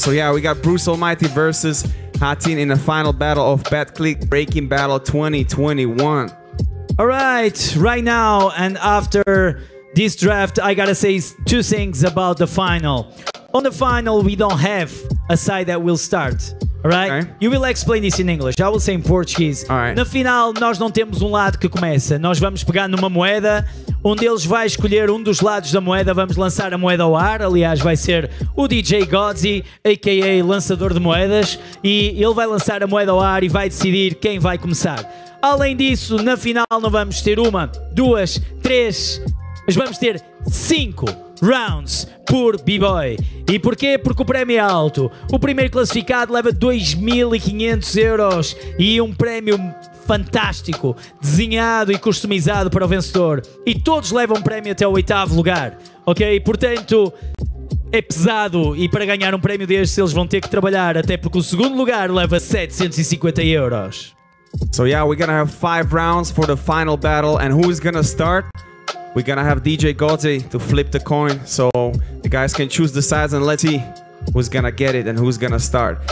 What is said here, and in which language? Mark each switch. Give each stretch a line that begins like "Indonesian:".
English: So, yeah, we got Bruce Almighty versus Ratin in the final battle of Betclic Breaking Battle 2021. Right now and after this draft, I gotta say two things about the final. On the final, we don't have a side that will start, all right? Okay. You will explain this in English. I will say in Portuguese. All right.
Portuguese: No final, nós não temos lado que começa. Nós vamos pegar numa moeda, onde eles vai escolher dos lados da moeda, vamos lançar a moeda ao ar. Aliás, vai ser o DJ Godzi, a.k.a. lançador de moedas, e ele vai lançar a moeda ao ar e vai decidir quem vai começar. Além disso, na final não vamos ter uma, duas, três, mas vamos ter cinco rounds por B-Boy. E porquê? Porque o prémio é alto. O primeiro classificado leva 2.500€ e um prémio fantástico, desenhado e customizado para o vencedor. E todos levam um prémio até o oitavo lugar, ok? Portanto, é pesado, e para ganhar um prémio destes eles vão ter que trabalhar, até porque o segundo lugar leva 750€.
English: So yeah, we're gonna have five rounds for the final battle, and who is gonna start? We're gonna have DJ Godzi to flip the coin, so the guys can choose the sides and let's see who's gonna get it and who's gonna start.